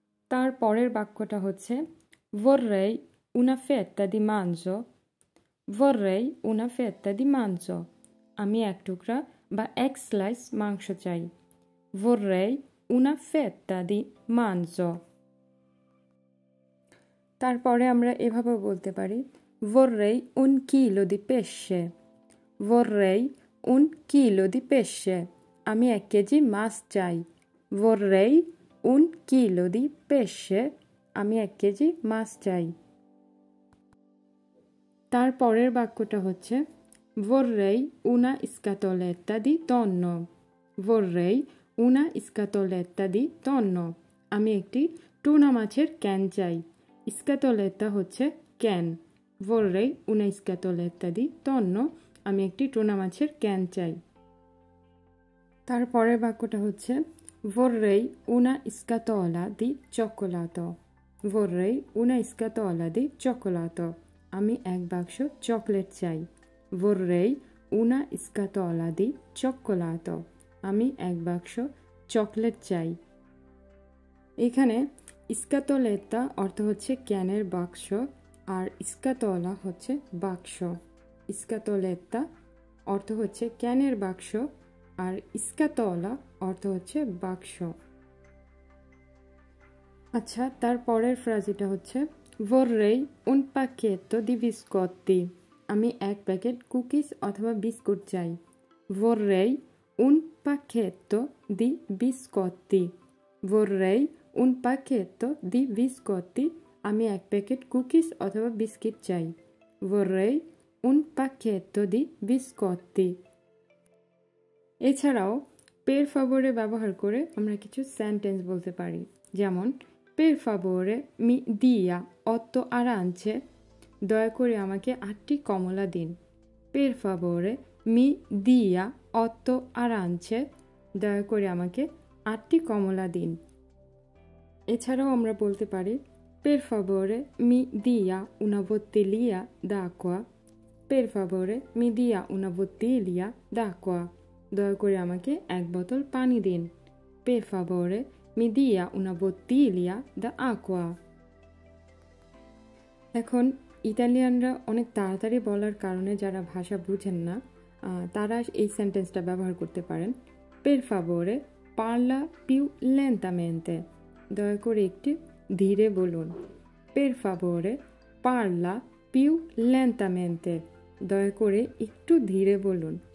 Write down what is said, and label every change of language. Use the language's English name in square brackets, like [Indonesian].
[Bangla] তার পরের বাক্যটা হচ্ছে ভোররেই উনা ফেত্তা দি মাংসো, ভোররেই উনা ফেত্তা দি মাংসো, আমি এক টুকরা বা এক স্লাইস মাংস চাই। [Italian] ভোররেই উনা ফেত্তা দি মাংসো। [Bangla] তারপরে আমরা এভাবেও বলতে পারি ভোররেই উন কিলো দি পেশে, ভোররেই উন কিলো দি পেশে, আমি 1 কেজি মাছ চাই। Vorrei un chilo di pesce, আমি 1 কেজি মাছ চাই। তার পরের বাক্যটা হচ্ছে Vorrei una scatoletta di tonno, Vorrei una scatoletta di tonno, আমি 1টি টুনা মাছের ক্যান চাই। Scatoletta হচ্ছে can, Vorrei una scatoletta di tonno, আমি 1টি টুনা মাছের ক্যান চাই। তার পরের বাক্যটা হচ্ছে Vorrei una scatola di cioccolato, Vorrei una scatola di cioccolato, আমি 1 বাক্স চকলেট চাই। Vorrei una scatola di cioccolato, আমি 1 বাক্স চকলেট চাই। এখানে স্কাতোলেত্তা অর্থ হচ্ছে ক্যানের বাক্স, আর স্কাতোলা হচ্ছে বাক্স। স্কাতোলেত্তা অর্থ হচ্ছে ক্যানের বাক্স, আর স্কাতোলা অর্থ হচ্ছে বাক্স। আচ্ছা, তার পরের ফ্রাজিটা হচ্ছে Vorrei un pacchetto di biscotti, আমি 1 প্যাকেট কুকিজ অথবা বিস্কুট চাই। Vorrei un pacchetto di biscotti, Vorrei un pacchetto di biscotti, আমি 1 প্যাকেট কুকিজ অথবা বিস্কিট চাই। [Italian] Vorrei un pacchetto di biscotti. [Bangla] এছাড়াও per favore ব্যবহার করে আমরা কিছু সেন্টেন্স বলতে পারি, যেমন per favore mi dia 8 arance, দয়া করে আমাকে 8টি কমলা দিন। Per favore mi dia 8 arance, দয়া করে আমাকে 8টি কমলা দিন। এছাড়াও আমরা বলতে পারি per favore mi dia una bottiglia d'acqua, per favore mi dia una bottiglia d'acqua, দয়া করে আমাকে 1 বোতল পানি দিন। [Italian] Per favore mi dia una bottiglia d'acqua. [Bangla] এখন ইতালিয়ানরা অনেক তাড়াতাড়ি বলার কারণে যারা ভাষা বুঝেন না তারা এই সেন্টেন্সটা ব্যবহার করতে পারেন, per favore parla più lentamente, দয়া করে একটু ধীরে বলুন। Per favore parla più lentamente, দয়া করে একটু ধীরে বলুন।